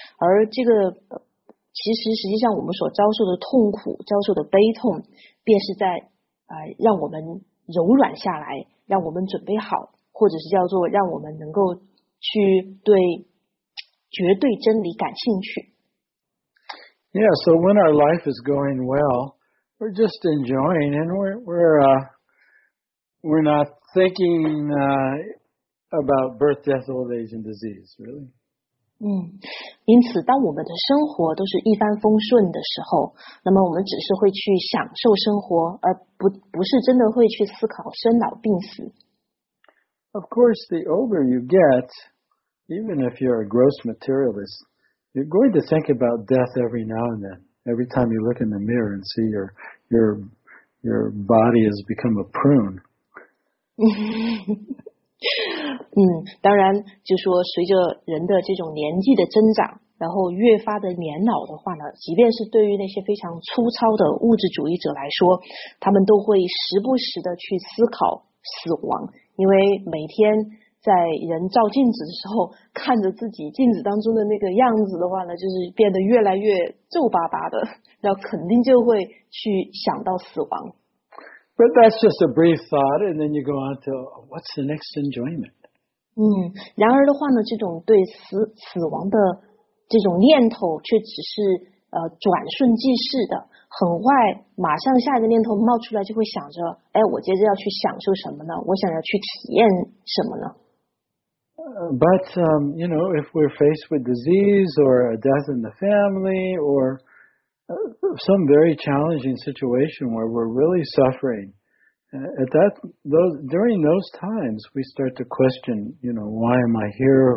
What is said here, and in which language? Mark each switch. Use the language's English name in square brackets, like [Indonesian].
[Chinese] 而这个实际上我们所遭受的痛苦，遭受的悲痛，便是在让我们柔软下来，让我们准备好，或者是叫做让我们能够去对绝对真理感兴趣。 [English] Yeah, so when our life is going well, we're just enjoying, and we're not thinking about birth, death, old age, and disease, really. [Chinese] 因此当我们的生活都是一帆风顺的时候，那么我们只是会去享受生活，而不是真的会去思考生老病死。 [English] Of course, the older you get, even if you're a gross materialist, you're going to think about death every now and then. Every time you look in the mirror and see your body has become a prune. [Chinese] 当然就说随着人的这种年纪的增长，然后越发的年老的话呢，即便是对于那些非常粗糙的物质主义者来说，他们都会时不时的去思考死亡，因为每天在人照镜子的时候，看着自己镜子当中的那个样子的话呢，就是变得越来越皱巴巴的，然后肯定就会去想到死亡。 [English] But that's just a brief thought, and then you go on to what's the next enjoyment? [Chinese] 然而的话呢，这种对死亡的这种念头却只是转瞬即逝的，很快马上下一个念头冒出来，就会想着，哎，我接着要去享受什么呢？我想要去体验什么呢？ [English] You know, if we're faced with disease or a death in the family or some very challenging situation where we're really suffering, during those times, we start to question, you know, why am I here?